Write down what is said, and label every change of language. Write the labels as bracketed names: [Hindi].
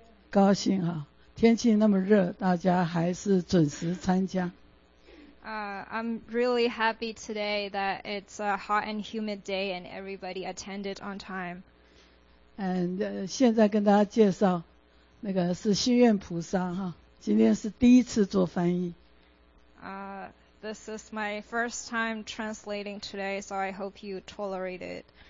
[Chinese] 高兴哈、啊，天气那么热，大家还是准时参加。 [English] I'm really happy today that it's a hot and humid day and everybody attended on time. [Chinese] And 现在跟大家介绍，那个是心愿菩萨哈、啊，今天是第一次做翻译。 [English] This is my first time translating today, so I hope you tolerate it.